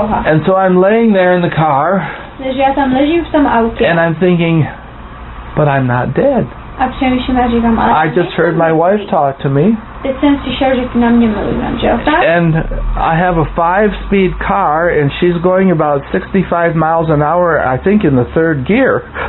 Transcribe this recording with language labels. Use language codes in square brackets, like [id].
[en] And so I'm laying there in the car. [cs] Takže já tam ležím v tom autě. [en] And I'm thinking, but I'm not dead. [cs] A přemýšlím, říkám, ale [en] I just heard my wife talk to me. [cs] Teď jsem slyšel, že ty na mě mluví, manželka. [en] And I have a 5-speed car and she's going about 65 miles an hour, I think in the third gear.